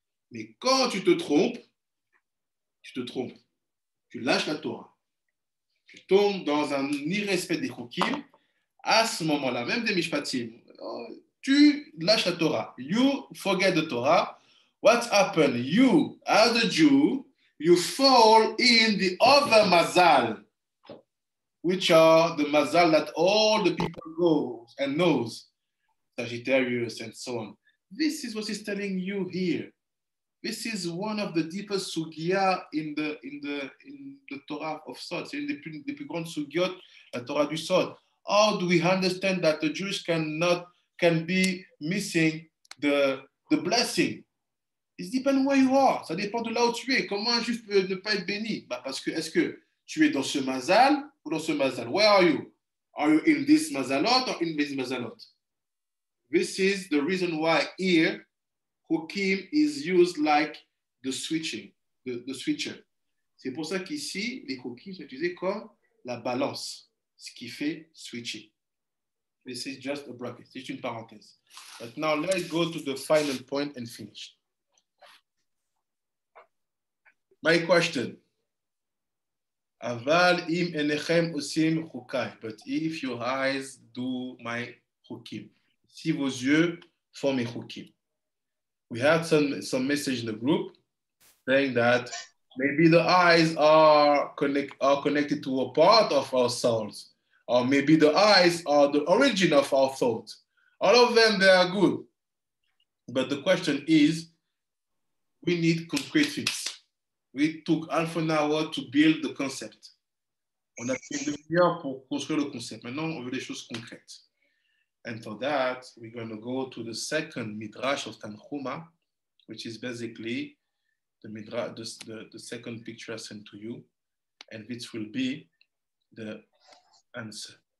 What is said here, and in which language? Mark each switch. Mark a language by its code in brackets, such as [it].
[fr] Mais quand tu te trompes, tu lâches la Torah, tu tombes dans un irrespect des chukim, à ce moment-là, même des mishpatim, tu lâches la Torah. [en] You forget the Torah. What happened? You, as a Jew, you fall in the other mazal, which are the mazal that all the people knows and knows, Sagittarius and so on. This is what he's telling you here. This is one of the deepest sugya in the Torah of Sod. [fr] C'est une des plus grandes sugyot, la Torah du Sod. [en] How do we understand that the Jews cannot can be missing the blessing. It depends where you are. [fr] Ça dépend de là où tu es. Comment juste ne pas être béni? Bah parce que est-ce que tu es dans ce mazal ou dans ce mazal? [en] Where are you? Are you in this mazalot or in this mazalot? This is the reason why here, hukim is used like the switching, the switcher. [fr] C'est pour ça qu'ici, les hukim sont utilisés comme la balance, ce qui fait switcher. [en] This is just a bracket. [fr] C'est une parenthèse. [en] But now, let's go to the final point and finish. My question. [he] Aval im enechem usim chukai. [en] But if your eyes do my chukim. [fr] Si vos yeux font mes chukim. [en] We had some message in the group saying that maybe the eyes are connected to a part of our souls. Or maybe the eyes are the origin of our thoughts. All of them, they are good. But the question is, we need concrete things. We took half an hour to build the concept. [fr] On a pris une heure pour construire le concept. Maintenant, on veut des choses concrètes. [en] And for that, we're going to go to the second midrash of Tanhuma, which is basically the midrash, the second picture I sent to you, and which will be the answer.